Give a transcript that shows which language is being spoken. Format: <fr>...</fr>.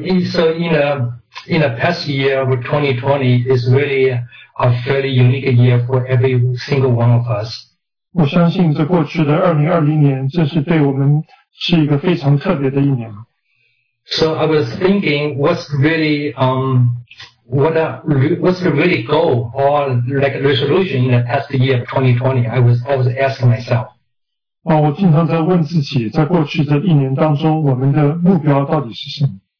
<en>So in the past year of 2020 is really a fairly unique year for every single one of us.</en> <zh>我相信这过去的2020年，这是对我们是一个非常特别的一年。</zh> <en>So I was thinking, what's the really goal or like resolution in the past year of 2020? I was asking myself.</en> <zh>我经常在问自己，在过去这一年当中，我们的目标到底是什么？</zh>